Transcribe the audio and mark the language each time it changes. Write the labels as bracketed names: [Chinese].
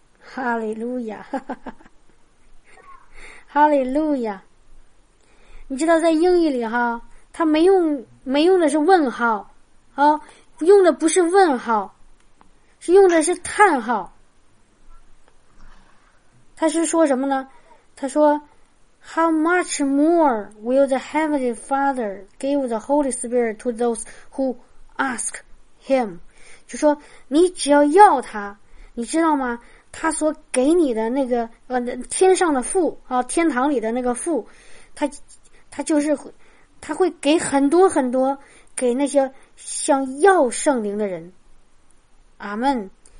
[Chinese] 哈利路亚，哈利路亚。你知道在英语里哈，他没用的是问号，哦，用的不是问号，是用的是叹号。他是说什么呢？ [English] 他说 How much more will the Heavenly Father give the Holy Spirit to those who ask? [Chinese] Him， 就说你只要要他，你知道吗？他所给你的那个天上的父啊，天堂里的那个父，他会给很多很多给那些想要圣灵的人。阿们。